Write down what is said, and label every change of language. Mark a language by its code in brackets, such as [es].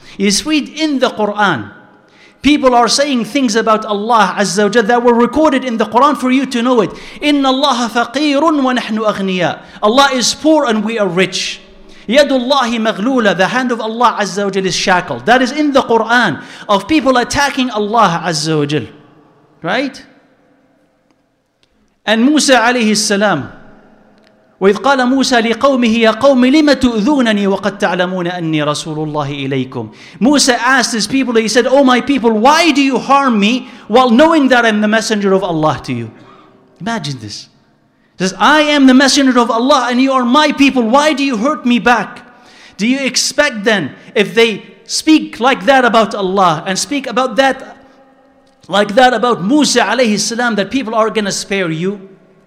[en] You read in the Quran, people are saying things about Allah Azza wa Jalla that were recorded in the Quran for you to know it. [ar] Inna Allah faqirun wa nahnu aghniya. [en] Allah is poor and we are rich. [ar] Yadullahi maghloola. [en] The hand of Allah Azza wa Jalla is shackled. That is in the Quran of people attacking Allah Azza wa Jalla. Right? [ar] And Musa alayhi salam, وَإِذْ قَالَ مُوسَى لِقَوْمِهِ يَا قَوْمِ لِمَ تُؤْذُونَنِي وَقَدْ تَعْلَمُونَ أَنِّي رَسُولُ اللَّهِ إِلَيْكُمْ. [en] Musa asked his people, he said, Oh my people, why do you harm me while knowing that I'm the messenger of Allah to you? Imagine this. He says, I am the messenger of Allah and you are my people. Why do you hurt me back? Do you expect then, if they speak like that about Allah and speak about that, like that about Musa alayhi salam, that people are going to spare you?